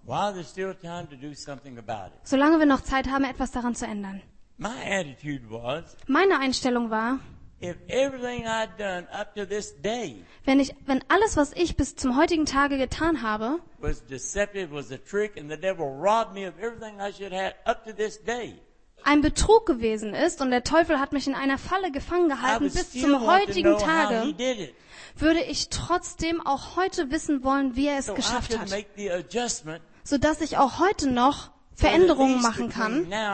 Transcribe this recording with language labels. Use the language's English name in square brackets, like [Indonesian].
[English] while there's still time to do something about it. [German] Solange wir noch Zeit haben, etwas daran zu ändern. [English] My attitude was, [German] meine Einstellung war, [English] if everything I'd done up to this day, [German] wenn alles, was ich bis zum heutigen Tage getan habe, [English] was deceptive, was a trick, and the devil robbed me of everything I should have up to this day, [German] ein Betrug gewesen ist und der Teufel hat mich in einer Falle gefangen gehalten bis zum heutigen Tage, würde ich trotzdem auch heute wissen wollen, wie er es [English] so [German] geschafft hat, so dass ich auch heute noch Veränderungen machen kann.